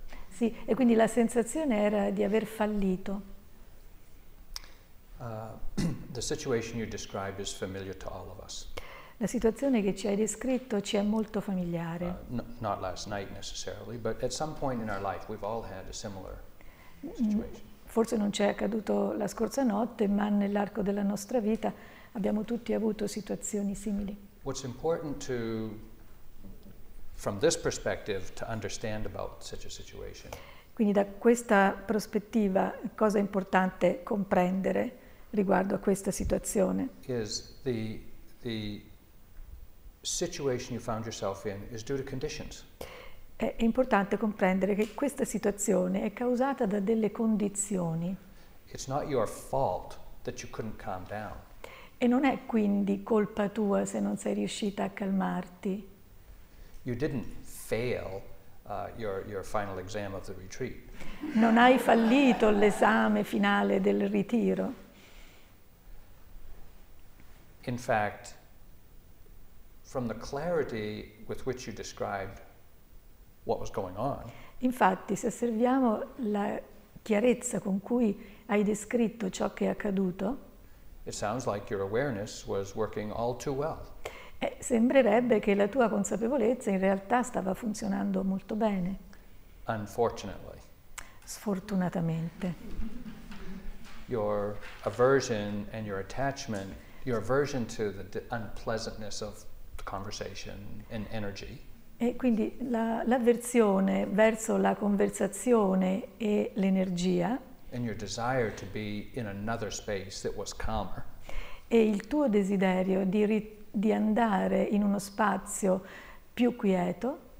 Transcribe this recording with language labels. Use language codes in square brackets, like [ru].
[it] Sì, e quindi la sensazione era di aver fallito. [en] The situation you described is familiar to all of us. [it] La situazione che ci hai descritto ci è molto familiare. [en] Not last night necessarily, but at some point in our life we've all had a similar situation. [it] Forse non ci è accaduto la scorsa notte, ma nell'arco della nostra vita abbiamo tutti avuto situazioni simili. [en] What's important to, from this perspective, to understand about such a situation? [it] Quindi da questa prospettiva, cosa è importante comprendere riguardo a questa situazione? [en] Is the situation you found yourself in is due to conditions. [it] È importante comprendere che questa situazione è causata da delle condizioni. [en] It's not your fault that you couldn't calm down. [it] E non è quindi colpa tua se non sei riuscita a calmarti. [en] You didn't fail your final exam of the retreat. [it] Non hai fallito l'esame finale del ritiro. [en] In fact, from the clarity with which you described what was going on. [it] Infatti, se osserviamo la chiarezza con cui hai descritto ciò che è accaduto. [en] It sounds like your awareness was working all too well. [it] Sembrerebbe che la tua consapevolezza in realtà stava funzionando molto bene. [en] Unfortunately. [it] Sfortunatamente. [en] Your aversion and your attachment, your aversion to the unpleasantness of the conversation and energy. [it] E quindi l'avversione verso la conversazione e l'energia. [en] And your desire to be in another space that was calmer. [it] E il tuo desiderio di andare in uno spazio più quieto.